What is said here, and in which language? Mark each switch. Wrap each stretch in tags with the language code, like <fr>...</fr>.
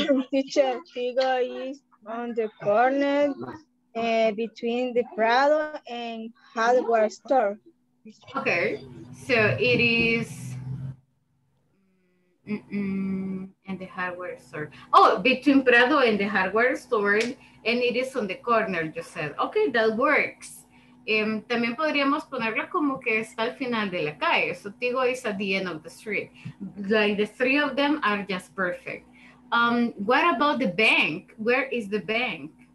<en>Teacher, Hugo is on the corner between the Prado and hardware store. Okay, so it is... and the hardware store. Oh, between Prado and the hardware store, and it is on the corner, you said. Okay, that works.</en> <es>También podríamos ponerlo como que está al final de la calle.</es> <en>So Tigo is at the end of the street. Like the three of them are just perfect. What about the bank? Where is the bank?</en>